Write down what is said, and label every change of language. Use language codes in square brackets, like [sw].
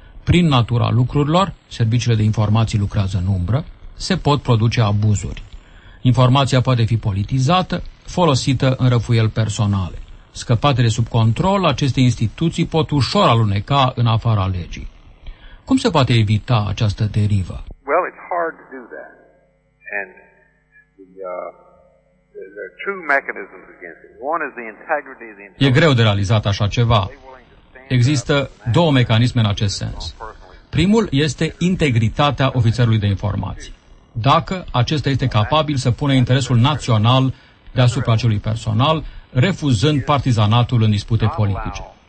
[ro] Prin natura lucrurilor, serviciile de informații lucrează în umbră, se pot produce abuzuri. Informația poate fi politizată, folosită în răfuieli personale. Scăpate de sub control, aceste instituții pot ușor aluneca în afara legii. Cum se poate evita această derivă? [en] Well, it's hard to do that. And there are two mechanisms against it. One is the integrity of the intelligence. [ro] E greu de realizat așa ceva. Există două mecanisme în acest sens. Primul este integritatea ofițerului de informații. Dacă acesta este capabil să pună interesul național deasupra celui personal, refuzând partizanatul în dispute politice.